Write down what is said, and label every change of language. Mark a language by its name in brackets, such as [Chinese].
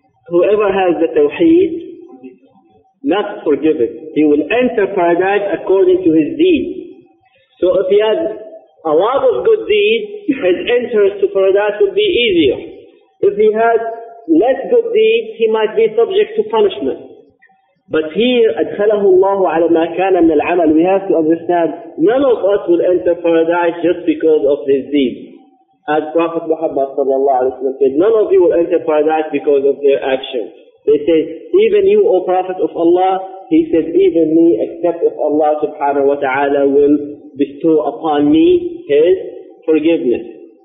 [English] Whoever has the tawheed, not forgiven. He will enter paradise according to his deed. So if he has a lot of good deeds, his entrance to paradise would be easier. If he has less good deeds, he might be subject to punishment. But here, [Arabic] أَدْخَلَهُ اللَّهُ عَلَى مَا كَانَ مِنَ الْعَمَلِ. [English] We have to understand, none of us will enter paradise just because of his deeds. As Prophet Muhammad said, none of you will enter paradise because of their actions. They said, even you, O Prophet of Allah, he said, even me, except if Allah subhanahu wa ta'ala will bestow upon me his forgiveness.